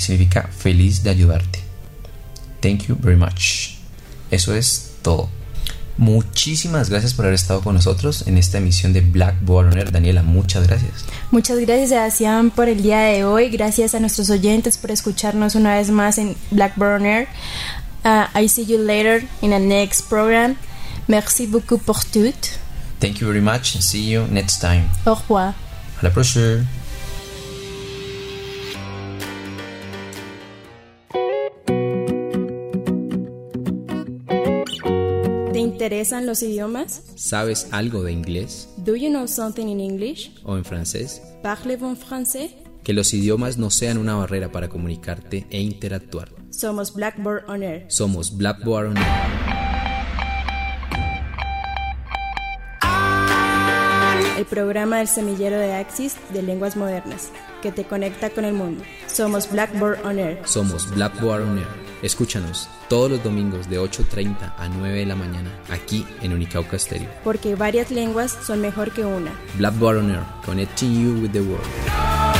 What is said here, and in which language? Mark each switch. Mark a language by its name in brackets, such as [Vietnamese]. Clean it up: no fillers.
[Spanish] Significa feliz de ayudarte. [English] Thank you very much. [Spanish] Eso es todo. Muchísimas gracias por haber estado con nosotros en esta emisión de Blackboard On Air. Daniela, muchas gracias. Muchas gracias, Sebastián, por el día de hoy. Gracias a nuestros oyentes por escucharnos una vez más en Blackboard On Air. [English] I see you later in the next program. [French] Merci beaucoup pour tout. [English] Thank you very much. See you next time. [French] Au revoir. A la prochaine. [Spanish] ¿Te interesan los idiomas? ¿Sabes algo de inglés? [English] Do you know something in English? [Spanish] ¿O en francés? [French] Parlez-vous en français? [Spanish] Que los idiomas no sean una barrera para comunicarte e interactuar. Somos Blackboard On Air. Somos Blackboard On Air. El programa del semillero de Axis de lenguas modernas, que te conecta con el mundo. Somos Blackboard On Air. Somos Blackboard On Air. Escúchanos todos los domingos de 8:30 a 9 de la mañana, aquí en Unicauca Stereo. Porque varias lenguas son mejor que una. [English] Blackboard On Air, connecting you with the world. No!